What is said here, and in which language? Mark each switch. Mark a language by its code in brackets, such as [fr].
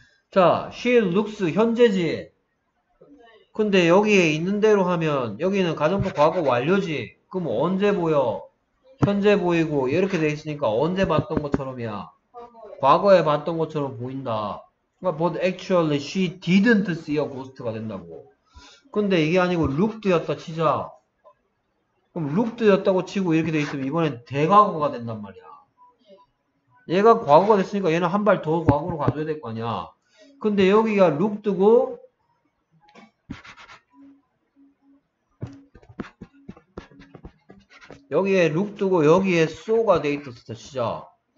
[ko] 자, [en] she looks [ko] 현재지. 근데 여기에 있는 대로 하면 여기는 가정법 과거 완료지. 그럼 언제 보여? 현재 보이고 이렇게 돼 있으니까 언제 봤던 것처럼이야. 과거에 봤던 것처럼 보인다. [en] But actually she didn't see a ghost [ko] 가 된다고. 근데 이게 아니고 looked였다 치자. 그럼 looked였다고 치고 이렇게 돼 있으면 이번엔 대과거가 된단 말이야. 얘가 과거가 됐으니까 얘는 한발더 과거로 가줘야 될거 아니야. 근데 여기가 looked고, 여기에 looked고 여기에 so가 데이터부터 시작.